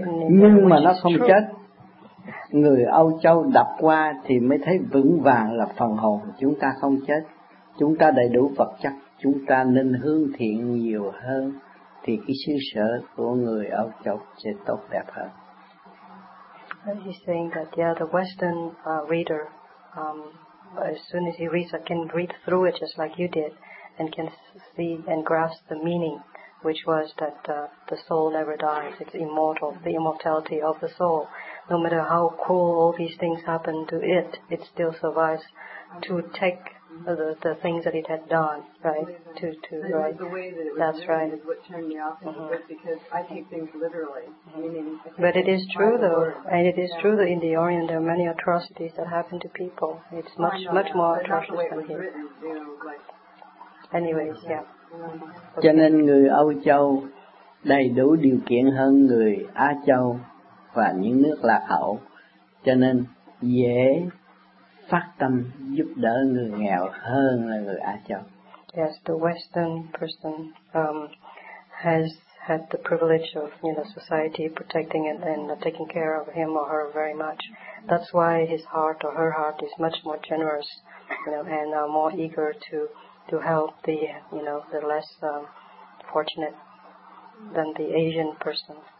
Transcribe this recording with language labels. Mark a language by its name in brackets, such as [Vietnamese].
[Vietnamese] Nhưng mà nó không chết. Người Âu Châu đọc qua thì mới thấy vững vàng là phần hồn chúng ta không chết. Chúng ta đầy đủ vật chất, chúng ta nên hướng thiện nhiều hơn, thì cái xứ sở của người Âu Châu sẽ tốt đẹp hơn. [English] He's saying that yeah, the Western reader, as soon as he reads, can read through it just like you did, and can see and grasp the meaning, which was that the soul never dies, it's immortal, the immortality of the soul. No matter how cruel all these things happen to it, it still survives to take the things that it had done, right? Right. The way that it was, that's right. Is what turned me off, mm-hmm. because I take things literally. Mm-hmm. Meaning, but it is true, though, and it is true that in the Orient there are many atrocities that happen to people. It's much more atrocious than here. Written, you know, like, anyways, yeah. [Vietnamese] Cho nên người Âu Châu đầy đủ điều kiện hơn người Á Châu và những nước lạc hậu, cho nên dễ phát tâm giúp đỡ người nghèo hơn là người Á Châu. [English] Yes, the Western person has had the privilege of, you know, society protecting and taking care of him or her very much. That's why his heart or her heart is much more generous, you know, and more eager to help the, you know, the less fortunate than the Asian person.